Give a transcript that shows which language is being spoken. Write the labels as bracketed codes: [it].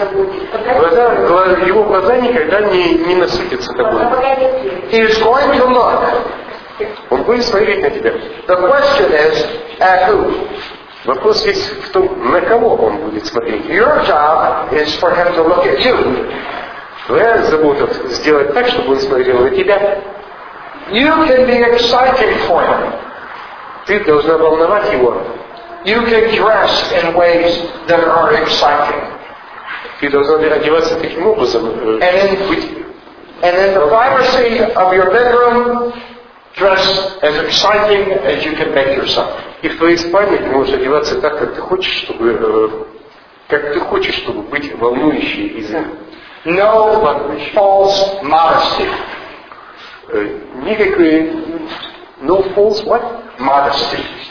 [ru] Его глаза никогда не насытятся тобой. [en] He is going to look. [ru] Он будет смотреть на тебя. [en] The question is, at who? [ru] Вопрос есть в том, на кого он будет смотреть. [en] Your job is for him to look at you. [ru] Твоя забота сделать так, чтобы он смотрел на тебя. [en] You can be exciting for him. [ru] Ты должна волновать его. [en] You can dress in ways that are exciting. [ru] Ты должна одеваться таким образом. [en] And in the privacy of your bedroom, dress as exciting as you can make yourself. [ru] И в твоей спальне ты можешь одеваться так, как ты хочешь, чтобы как ты хочешь, чтобы быть волнующей из [en] No false modesty. [ru] Никакой [en] no false what? Modesty.